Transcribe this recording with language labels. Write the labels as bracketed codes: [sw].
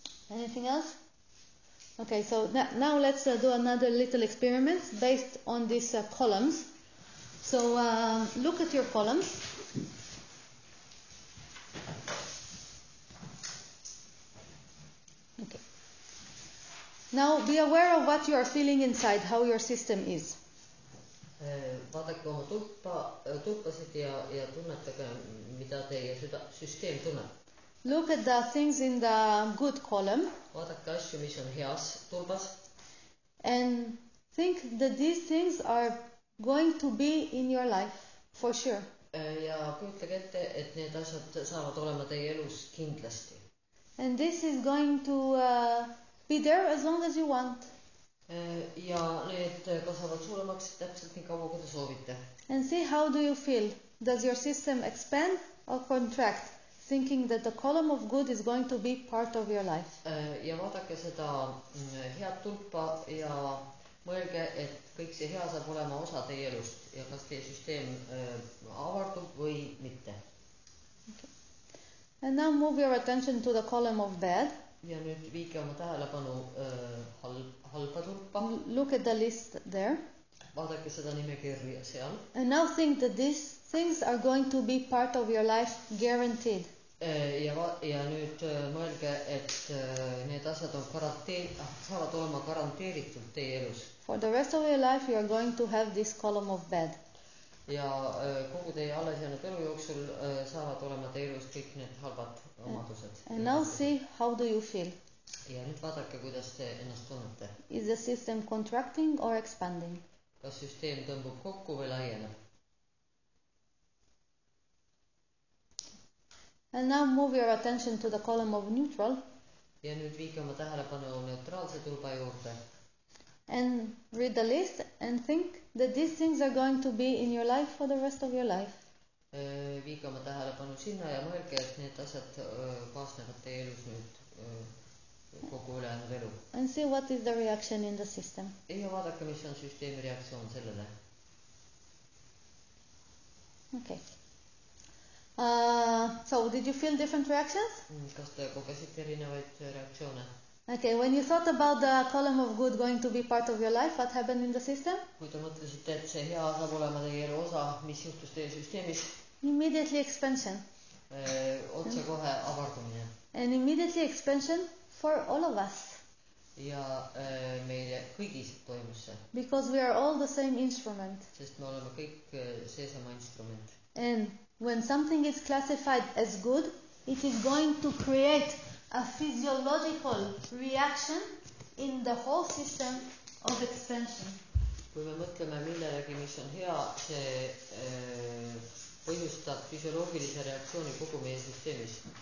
[en] Anything else? Okay, so now let's do another little experiment based on these columns. So look at your columns. Okay. Now be aware of what you are feeling inside, how your system is. [et] Vaadake oma tuppasid ja tunnetage, mida teie süsteem tunneb. [en] Look at the things in the good column. [et] Vaadake asju, mis on heas tuppas. [en] And think that these things are going to be in your life, for sure. [et] Ja kujutage ette, et need asjad saavad olema teie elus kindlasti. [en] And this is going to be there as long as you want. [et] Ja need kasvavad suuremaks täpselt nii kaua, kui te soovite. [en] And see how do you feel? Does your system expand or contract? Thinking that the column of good is going to be part of your life. [et] Ja vaadake seda head tulpa ja mõelge, et kõik see hea saab olema osa teie elust ja kas teie süsteem avardub või mitte. [en] Okay. And now move your attention to the column of bad. [et] Ja nüüd viige oma tähelepanu halba tulpa. [en] Look at the list there. [et] Vaadake seda nimekirja seal. [en] And now think that these things are going to be part of your life guaranteed. [et] Ja nüüd mõelge, et need asjad on saavad olema garanteeritud teie elus. [en] For the rest of your life you are going to have this column of bad. [et] Ja kogu teie alles jäänud elu jooksul saavad olema teie elus kõik need halvad omadused. [en] And now see how do you feel. [et] Ja nüüd vaadake, kuidas te ennast tunnete. [en] Is the system contracting or expanding? [et] Kas süsteem tõmbub kokku või laieneb? [en] And now move your attention to the column of neutral. [et] Ja nüüd viige oma tähelepanu neutraalse tulba juurde. [en] And read the list and think that these things are going to be in your life for the rest of your life. [et] Viige oma tähelepanu sinna ja mõelge, et need asjad kaasnevad teie elus nüüd kogu ülejäänud elu. [en] And see what is the reaction in the system. [et] Ja vaadake, mis on süsteemi reaktsioon sellele. [en] Okay. So did you feel different reactions? [et] Kas te kogesite erinevaid reaktsioone? [en] Okay, when you thought about the column of good going to be part of your life, what happened in the system? [et] Kui te mõtlesite, et see hea saab olema teie elu osa, mis juhtus teie süsteemis? [en] Immediately expansion. [et] Otse kohe avardumine. [en] And immediately expansion for all of us. [et] Ja meile kõigis toimus see. [en] Because we are all the same instrument. [et] Sest me oleme kõik see sama instrument. [en] And when something is classified as good, it is going to create a physiological reaction in the whole system of expansion. [et] Kui me mõtleme millegi, mis on hea, see põhjustab füsioloogilise reaktsiooni kogu meie süsteemis.